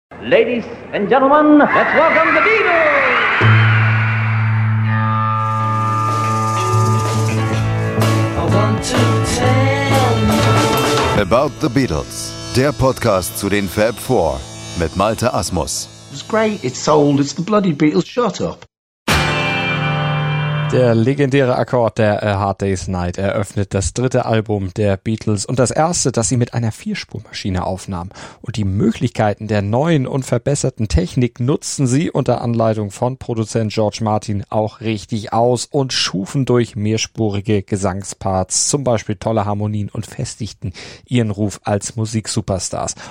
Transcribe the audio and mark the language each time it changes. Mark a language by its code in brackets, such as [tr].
[en] Ladies and Gentlemen, let's welcome the Beatles! [de] About the Beatles, der Podcast zu den Fab Four mit Malte Asmus. [en] It's great, it's old, it's the bloody Beatles, shut up. [de] Der legendäre Akkord der A Hard Day's Night eröffnet das dritte Album der Beatles und das erste, das sie mit einer Vierspurmaschine aufnahmen. Und die Möglichkeiten der neuen und verbesserten Technik nutzten sie unter Anleitung von Produzent George Martin auch richtig aus und schufen durch mehrspurige Gesangsparts, zum Beispiel tolle Harmonien, und festigten ihren Ruf als Musiksuperstars.